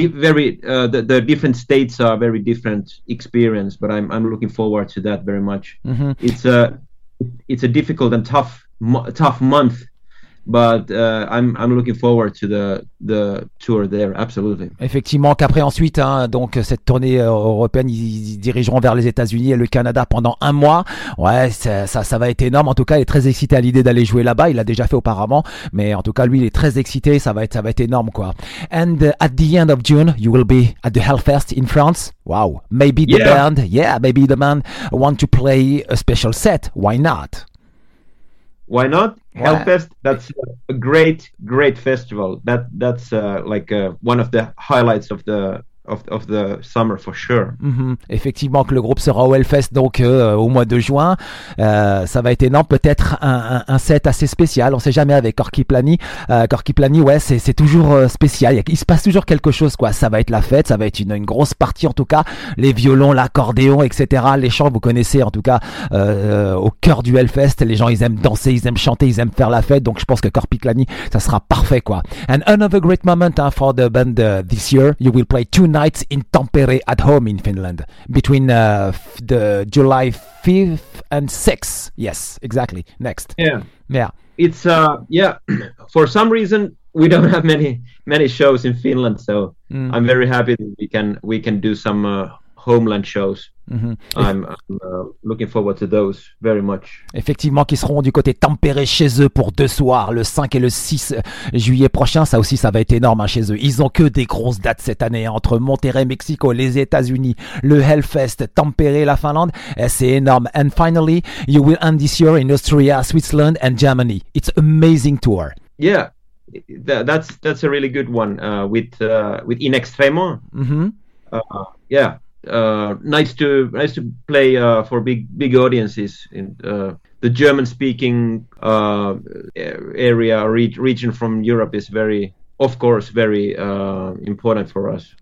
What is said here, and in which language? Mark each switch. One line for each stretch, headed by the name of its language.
English: The different states are very different experience, but I'm looking forward to that very much. Mm-hmm. It's a difficult and tough month. But I'm looking forward to the tour there, absolutely.
French: Effectivement, qu'après ensuite, hein, donc cette tournée européenne, ils dirigeront vers les États-Unis et le Canada pendant un mois. Ouais, ça va être énorme. En tout cas, il est très excité à l'idée d'aller jouer là-bas. Il l'a déjà fait auparavant, mais en tout cas, lui, il est très excité. Ça va être énorme, quoi.
English: And at the end of June, you will be at the Hellfest in France. Wow. Maybe the band, maybe the band want to play a special set. Why not? Why not? Hellfest, that's a great, great festival. That's like one of the highlights of the of the summer for sure. Mm-hmm.
French: Effectivement, que le groupe sera au Hellfest donc au mois de juin, ça va être énorme. Peut-être un set assez spécial. On ne sait jamais avec Corky Plany. Corky Plany, ouais, c'est toujours spécial. Il se passe toujours quelque chose, quoi. Ça va être la fête. Ça va être une grosse partie en tout cas. Les violons, l'accordéon, etc. Les chants, vous connaissez en tout cas au cœur du Hellfest. Les gens, ils aiment danser, ils aiment chanter, ils aiment faire la fête. Donc, je pense que Corky Plany, ça sera parfait, quoi.
English: And another great moment for the band this year. You will play two nights in Tampere at home in Finland between the July 5th and 6th. Yes, exactly. Next. Yeah. It's for some reason we don't have many shows in Finland, so I'm very happy that we can do some homeland shows. Mm-hmm. I'm looking forward to those very much.
French: Effectivement, qui seront du côté Tampere chez eux pour deux soirs, le 5 et le 6 juillet prochain. Ça aussi, ça va être énorme hein, chez eux. Ils ont que des grosses dates cette année entre Monterrey, Mexico, les États-Unis, le Hellfest, Tampere, la Finlande. Et c'est énorme.
English: And finally, you will end this year in Austria, Switzerland, and Germany. It's amazing tour. Yeah, that's a really good one with In Extremo. Mm-hmm. Nice to play for big audiences in the German speaking area region from Europe is very, of course, very important for us.